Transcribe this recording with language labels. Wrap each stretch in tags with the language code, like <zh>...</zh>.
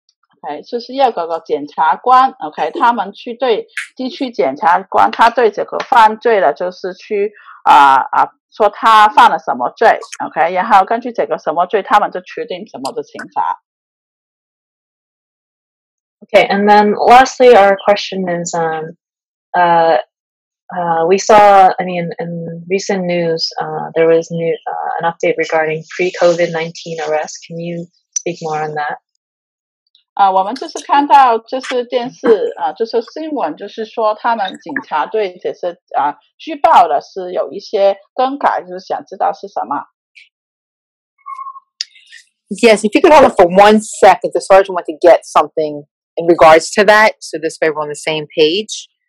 <zh>okay, 就是要个检察官, okay, 他们去对地区检察官, 他对这个犯罪的就是去, 说他犯了什么罪, okay, 然后根据这个什么罪, 他们就决定什么的刑罚。</zh> <en>Okay, and then lastly, our question is, we saw, I mean, in recent news, there was new, an update regarding pre-COVID-19 arrests. Can you speak more on that?</en> <zh>我们就是看到就是电视, 就是新闻就是说他们警察对这些, 举报的是有一些更改, 就是想知道是什么。</zh> <en>Yes, if you could hold it for 1 second, the sergeant went to get something in regards to that, so this way we're on the same page.</en>